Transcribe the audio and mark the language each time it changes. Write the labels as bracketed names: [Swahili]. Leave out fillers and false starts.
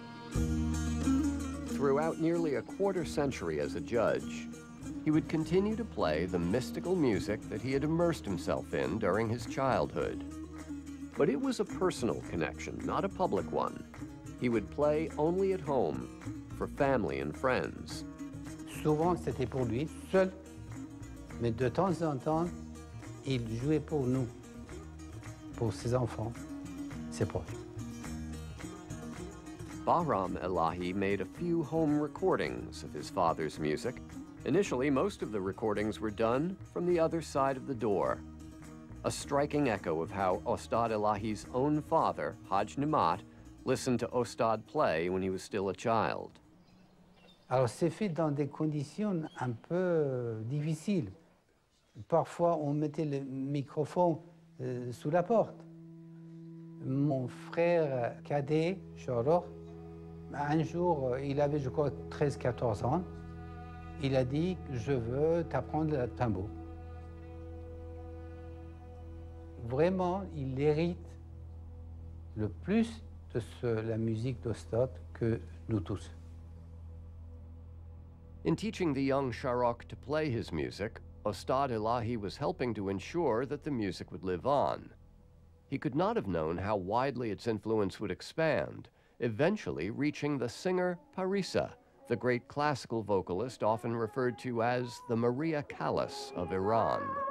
[English] Throughout nearly a quarter century as a judge, he would continue to play the mystical music that he had immersed himself in during his childhood. But it was a personal connection, not a public one. He would play only at home, for family and friends. [French] Souvent, c'était pour lui, seul. Mais de temps en temps, il jouait pour nous, pour ses enfants, ses proches. [English] Bahram Elahi made a few home recordings of his father's music. Initially, most of the recordings were done from the other side of the door. A striking echo of how Ostad Elahi's own father, Haj Nimat, listened to Ostad play when he was still a child. [French] Alors, c'est fait dans des conditions un peu difficiles. Parfois, on mettait le microphone sous la porte. Mon frère cadet, Choror, un jour, il avait, je crois, 13-14 ans. Il a dit, je veux t'apprendre le tambour. Vraiment, il hérite le plus de la musique d'Ostad que nous tous. [English] In teaching the young Sharok to play his music, Ostad Elahi was helping to ensure that the music would live on. He could not have known how widely its influence would expand, eventually reaching the singer Parisa, the great classical vocalist often referred to as the Maria Callas of Iran.